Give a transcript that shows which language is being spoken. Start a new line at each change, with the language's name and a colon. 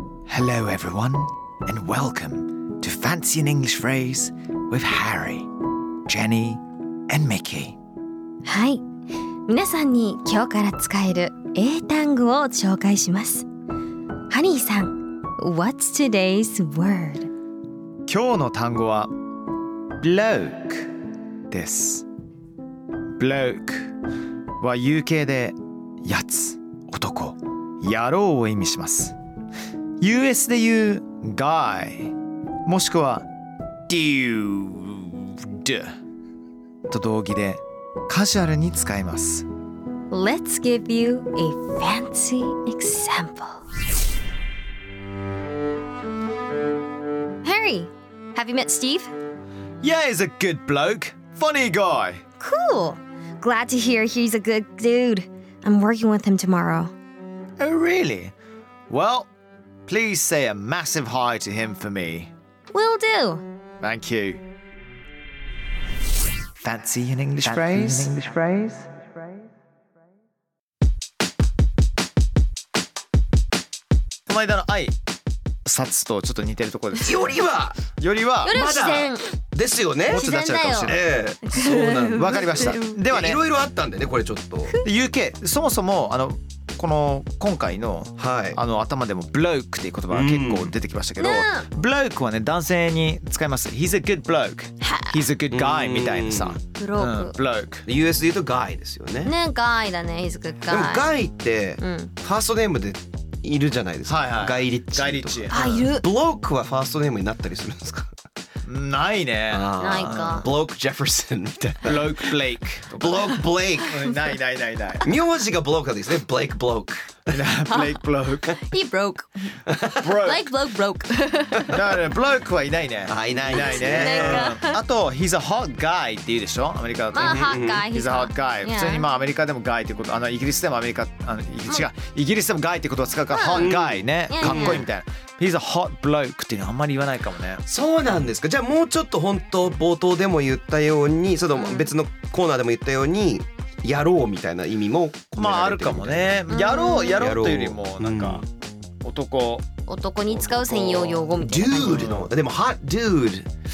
English: Hello everyone, and welcome to Fancy an English Phrase with Harry, Jenny, and Mickey.
Japanese: はい、皆さんに今日から使える英単語を紹介します。
English: ハニーさん、What's today's word?
Japanese: 今日の単語は bloke です。 bloke は UK でやつ、男、野郎を意味します。 US で言う guy もしくは dude と同義でカジュアルに使います。
English: Let's give you a fancy example. Harry, have you met Steve? Yeah, he's a good bloke. Funny guy. Cool. Glad to hear he's a good dude. I'm working with him tomorrow. Oh, really? Well,Please say a massive hi to him for me. Will do. Thank you. Fancy an English phrase? An English phrase?
Japanese: この間の愛、殺とちょっと似てるところです。よりは、よりは、よりは自然。ですよね。自然だよ。そうなん。わかりました。ではね、いろいろあったんでね、これちょっと。 UK、そもそもこの今回 の、はい、頭でも bloke っていう言葉が結構出てきましたけど、うん、bloke はね男性に使います。
English: He's a good bloke. He's a good guy みたいなさ、bloke、
Japanese: うん、US で言うと guy ですよね。ね、guy だね。
English: He's a good guy。
Japanese: でも guy ってファーストネームでいるじゃないですか、うん、はいはい、ガイリッチ、ガイリッチ、あ、いる。 bloke はファーストネームになったりするんですか？ないね。ないか。 Bloke Jefferson みたいな。
English: Bloke Blake。 Bloke Blake。ないないないない。名字がBloke ですね。 Blake Bloke。 Blake Bloke。 He broke。 Broke。 Blake Bloke broke。
Japanese: だからBloke はいないね。あ、いないないね。あと、
English: He's a hot guy
Japanese: って言うでしょ？アメリカだと。
English: まあ、hot guy。 He's a hot guy。
Japanese: 普通にまあアメリカでも guy ってこと、イギリスでもアメリカ、違う。イギリスでも guy ってことは使うから、hot guy ね。かっこいいみたいな。
English: He's a hot bloke
Japanese: っていうのはあんまり言わないかもね。そうなんですか。じゃあもうちょっと本当冒頭でも言ったように、その別のコーナーでも言ったように、やろうみたいな意味も込められてるみたいな。まああるかもね。やろう、やろうというよりもなんか男、男に使う専用用語みたいな。 Dude の、でも hot dude。